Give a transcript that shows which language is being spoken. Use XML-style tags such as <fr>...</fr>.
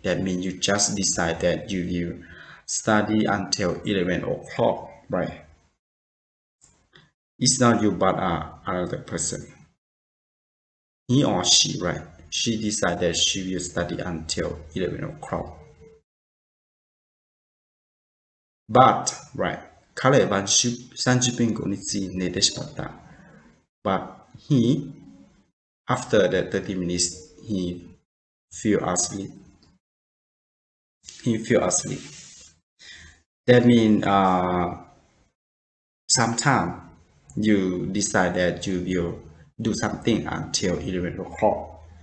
<en>That means you just decided that you will study until 11 o'clock, right? It's not you, but another person. He or she, right? She decided that she will study until 11 o'clock. But, right?</en> <ja>彼は30分後につい寝てしまった。</ja> <en>But he, after the 30 minutes, he feel asleep. He feel asleep. That mean, sometime you decide that you will do something until 11 o'clock.</en>